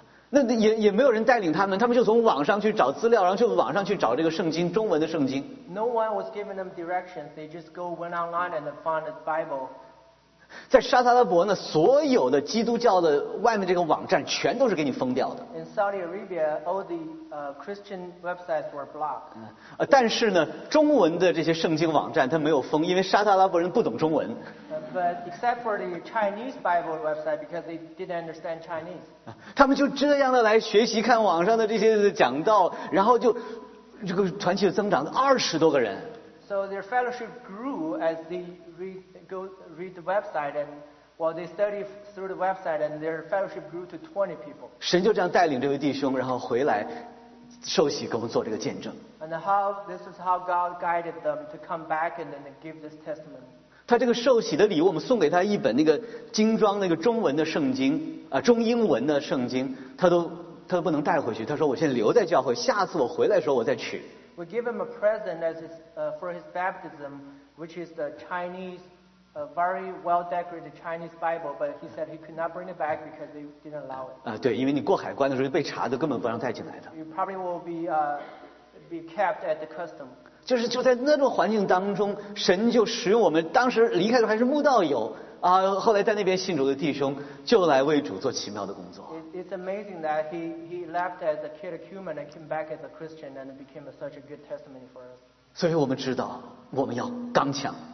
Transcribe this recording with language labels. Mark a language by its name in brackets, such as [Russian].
[Chinese] 那也没有人带领他们，他们就从网上去找资料，然后就网上去找这个圣经，中文的圣经。 [English] No one was giving them directions. They just went online and found a Bible. [Chinese] 在沙特阿拉伯呢，所有的基督教的外面这个网站全都是给你封掉的。 [English] In Saudi Arabia, all the Christian websites were blocked. [Chinese] 但是呢，中文的这些圣经网站它没有封，因为沙特阿拉伯人不懂中文。 [English] But except for the Chinese Bible website, because they didn't understand Chinese. [Chinese] 他们就这样的来学习看网上的这些讲道，然后就这个团契增长了20多个人。 [English] So their fellowship grew as they read the website, and while they studied through the website, and their fellowship grew to 20 people. [Chinese] 神就这样带领这位弟兄，然后回来受洗，给我们做这个见证。 [English] And how this is how God guided them to come back and then give this testimony. [Chinese] 他这个受洗的礼物，我们送给他一本那个精装那个中文的圣经啊，中英文的圣经，他都不能带回去。他说我现在留在教会，下次我回来的时候我再取。 [English] We give him a present as his for his baptism, which is the Chinese, a very well decorated Chinese Bible. But he said he could not bring it back because they didn't allow it. [Chinese] 啊，对，因为你过海关的时候被查的，根本不让带进来的。 [English] You probably will be kept at the custom. [Chinese] 就是就在那种环境当中，神就使用我们当时离开的还是慕道友啊，后来在那边信主的弟兄，就来为主做奇妙的工作。 [English] It's amazing that he left as a catechumen and came back as a Christian and became such a good testimony for us. [Chinese] 所以我们知道我们要刚强。